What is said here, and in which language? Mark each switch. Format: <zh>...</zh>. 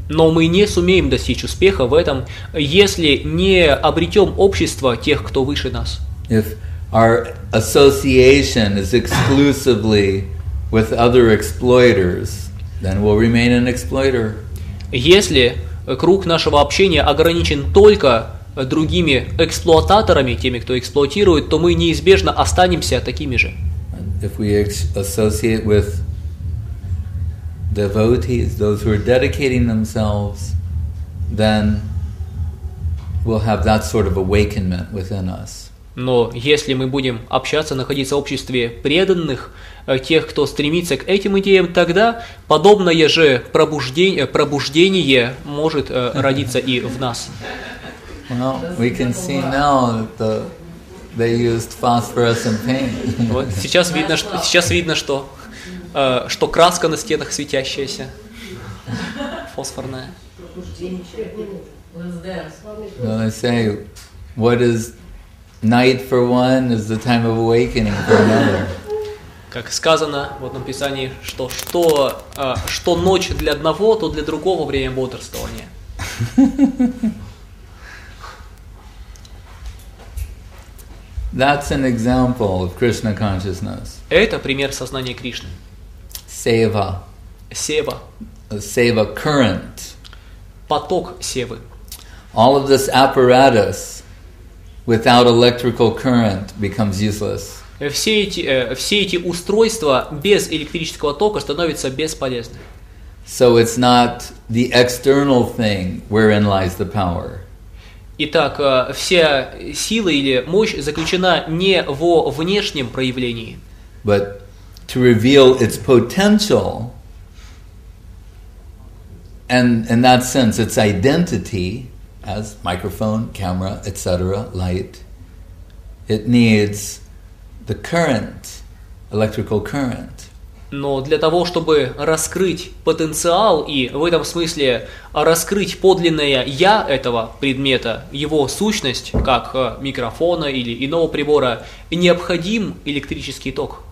<ru>Но мы не сумеем достичь успеха в этом, если не обретем общество тех, кто выше нас.</ru> <en>If our association is exclusively with other exploiters, then we'll remain an exploiter.</en> <ru>Если круг нашего общения ограничен только другими эксплуататорами, теми, кто эксплуатирует, то мы неизбежно останемся такими же.</ru> <en>If we associate with devotees, those who are dedicating themselves, then we'll have that sort of awakenment within us.</en> <ru>Но если мы будем общаться, находиться в обществе преданных, тех, кто стремится к этим идеям, тогда подобное же пробуждение может родиться и в нас.</ru> <en>Well, we can see now that they used phosphorescent paint.</en> <ru>Вот сейчас видно, что что краска на стенах светящаяся, фосфорная.</ru> <en>Well, I say, what is night for one is the time of awakening for another.</en> <ru>Как сказано в одном писании, что ночь для одного, то для другого время бодрствования.</ru> <en>That's an example of Krishna consciousness.</en> <ru>Это пример сознания Кришны.</ru> <en>Сева.</en> <ru>Сева.</ru> <en>Сева current.</en> <ru>Поток севы.</ru> <en>All of this apparatus without electrical current becomes useless.</en> <ru>Все эти устройства без электрического тока становятся бесполезны.</ru> <en>So it's not the external thing wherein lies the power.</en> <ru>Итак, вся сила или мощь заключена не во внешнем проявлении.</ru> <en>But to reveal its potential, and in that sense its identity as microphone, camera, etc., light, it needs the current, electrical current.</en> <ru>Но для того, чтобы раскрыть потенциал и в этом смысле раскрыть подлинное «я» этого предмета, его сущность, как микрофона или иного прибора, необходим электрический ток.</ru>